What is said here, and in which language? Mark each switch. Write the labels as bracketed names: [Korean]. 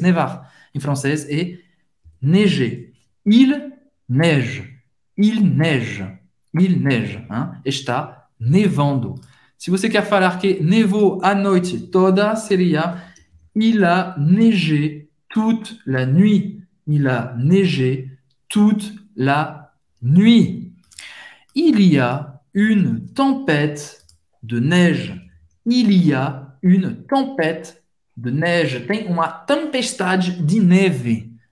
[Portuguese] Nevar. Em francês é [French] neger. Il neige. Il neige. Il neige. Hein? [Portuguese] Está nevando. Se você quer falar que nevou a noite toda, seria [French] il a neigé toute la nuit. Il a neigé toute la nuit. Il y a une tempête de neige. Il y a une tempête de neige. [Portuguese] Tem uma tempestade de neve.